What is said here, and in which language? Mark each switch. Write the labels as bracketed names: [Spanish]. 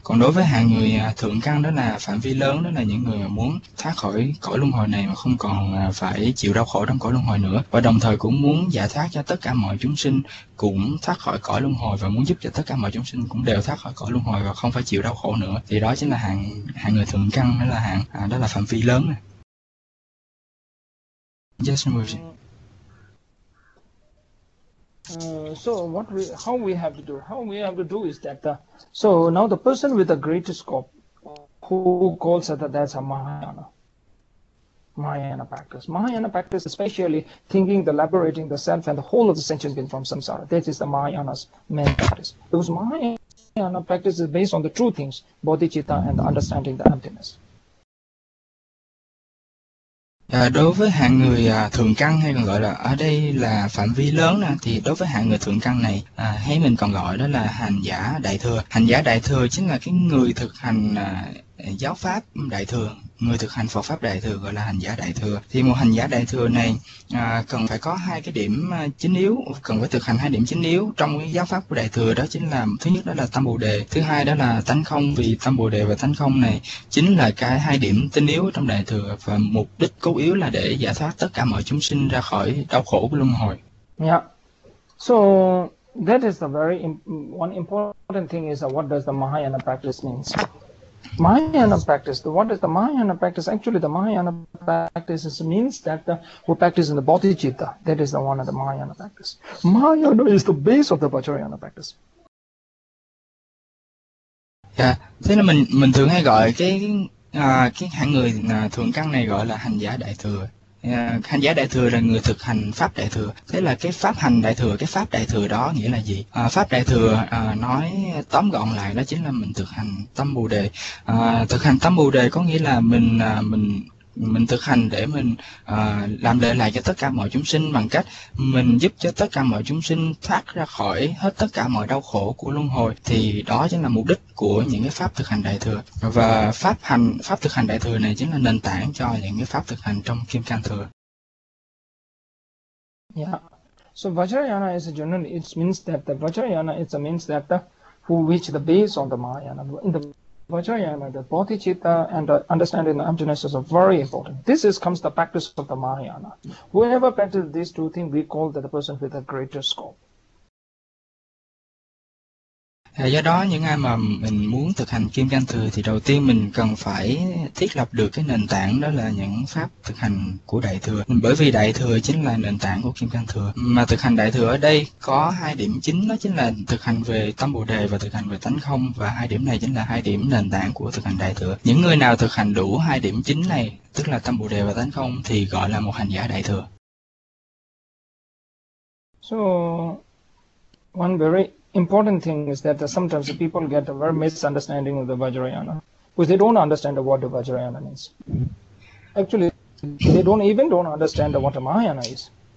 [Vietnamese] Còn đối với hạng người thượng căn đó là phạm vi lớn, đó là những người mà muốn thoát khỏi cõi luân hồi này mà không còn phải chịu đau khổ trong cõi luân hồi nữa, và đồng thời cũng muốn giải thoát cho tất cả mọi chúng sinh cũng thoát khỏi cõi luân hồi và muốn giúp cho tất cả mọi chúng sinh cũng đều thoát khỏi cõi luân hồi và không phải chịu đau khổ nữa, thì đó chính là hạng hạng người thượng căn, đó là hạng đó là phạm vi lớn. [English] Yes, So what we how we have to do how we have to do is that so now the person with the greatest scope, who calls that, that's a Mahayana practice, especially thinking the liberating the self and the whole of the sentient being from samsara. That is the Mahayana's main practice. Those Mahayana practice is based on the true things, bodhicitta, and the understanding the emptiness. [Vietnamese] Đối với hạng người thượng căn hay còn gọi là ở đây là phạm vi lớn nè, thì đối với hạng người thượng căn này hay mình còn gọi đó là hành giả đại thừa. Hành giả đại thừa chính là cái người thực hành giáo pháp đại thừa, người thực hành Phật pháp đại thừa gọi là hành giả đại thừa. Thì một hành giả đại thừa này cần phải có hai cái điểm chính yếu, cần phải thực hành hai điểm chính yếu trong cái giáo pháp của đại thừa, đó chính là thứ nhất đó là tâm bồ đề, thứ hai đó là tánh không. Vì tâm bồ đề và tánh không này chính là cái hai điểm tinh yếu trong đại thừa và mục đích cốt yếu là để giải thoát tất cả mọi chúng sinh ra khỏi đau khổ của luân hồi. [English] So that is the very imp one important thing is what does the Mahayana practice means? Mahayana practice. What is the Mahayana practice? Actually, the Mahayana practice means that who practice in the bodhicitta, that is the one of the Mahayana practice. Mahayana is the base of the Vajrayana practice. [Vietnamese] Thế là mình thường hay gọi cái hạng người thượng căn này gọi là hành giả đại thừa. Hành giả đại thừa là người thực hành pháp đại thừa. Thế là cái pháp hành đại thừa, cái pháp đại thừa đó nghĩa là gì? Pháp đại thừa nói tóm gọn lại đó chính là mình thực hành tâm bồ đề. Thực hành tâm bồ đề có nghĩa là mình thực hành để mình làm lợi lại cho tất cả mọi chúng sinh bằng cách mình giúp cho tất cả mọi chúng sinh thoát ra khỏi hết tất cả mọi đau khổ của luân hồi, thì đó chính là mục đích của những cái pháp thực hành đại thừa. Và pháp thực hành đại thừa này chính là nền tảng cho những cái pháp thực hành trong kim cang thừa. [English] So Vajrayana is generally it means that the Vajrayana it means that the who reach the base on the Mahayana. In the Vajrayana, the bodhicitta and the understanding the emptiness is very important. This is comes the practice of the Mahayana. Whoever practices these two things, we call that the person with the greater scope. [Vietnamese] Do đó những ai mà mình muốn thực hành kim cang thừa thì đầu tiên mình cần phải thiết lập được cái nền tảng, đó là những pháp thực hành của đại thừa, bởi vì đại thừa chính là nền tảng của kim cang thừa. Mà thực hành đại thừa ở đây có hai điểm chính, đó chính là thực hành về tâm bồ đề và thực hành về tánh không, và hai điểm này chính là hai điểm nền tảng của thực hành đại thừa. Những người nào thực hành đủ hai điểm chính này, tức là tâm bồ đề và tánh không, thì gọi là một hành giả đại thừa. [English] So, one very important thing is that sometimes people get a very misunderstanding of the Vajrayana, because they don't understand what the Vajrayana means. Actually, they don't understand what a Mahayana is.